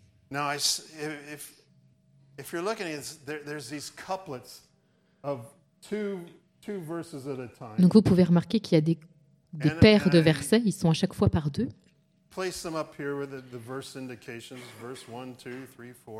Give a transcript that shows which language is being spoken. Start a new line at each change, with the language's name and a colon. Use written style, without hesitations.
English: Now, if you're looking at this, there's these couplets of two verses at a time.
French: Donc vous pouvez remarquer qu'il y a des paires de versets. Ils sont à chaque fois par deux.
English: Place them up here with the verse indications, verse 1, 2, 3, 4.